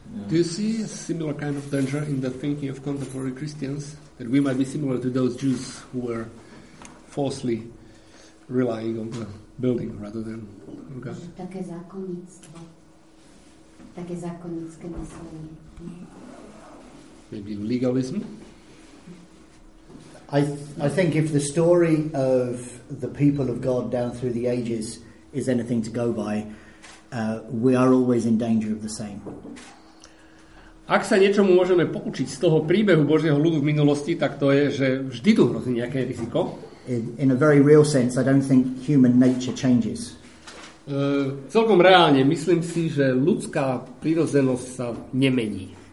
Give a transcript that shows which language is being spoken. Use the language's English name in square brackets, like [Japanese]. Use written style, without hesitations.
[English] Do you see a similar kind of danger in the thinking of contemporary Christians? That we might be similar to those Jews who were falsely relying on the building rather than on God? [Slovak] Také zákonnictvo. Také zákonnické myslení. [English] Maybe legalism? I think if the story of the people of God down through the ages is anything to go by, we are always in danger of the same. [Slovak] Ak sa niečomu môžeme poučiť z toho príbehu Božieho ľudu v minulosti, tak to je, že vždy tu hrozí nejaké riziko. [English] In a very real sense, I don't think human nature changes. [Slovak] Celkom reálne, myslím si, že ľudská prírodzenosť sa nemení.